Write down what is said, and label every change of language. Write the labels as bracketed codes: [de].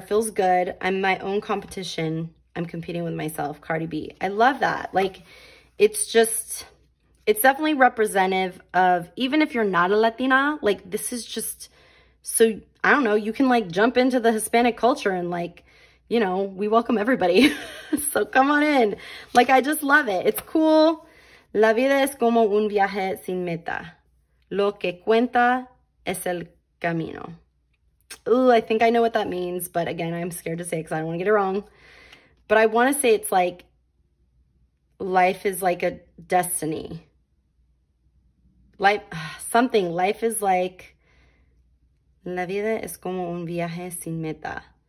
[en] Feels good. I'm my own competition. I'm competing with myself, Cardi B. I love that. Like, it's just, it's definitely representative of, even if you're not a Latina, like, this is just, so, I don't know, you can, like, jump into the Hispanic culture and, like, you know, we welcome everybody. So come on in. Like, I just love it. It's cool. [es] La vida es como un viaje sin meta. Lo que cuenta es el camino. [en] Ooh, I think I know what that means, but again, I'm scared to say it because I don't want to get it wrong. But I want to say it's like life is like a destiny. Life is like, [es] la vida es como un viaje sin meta.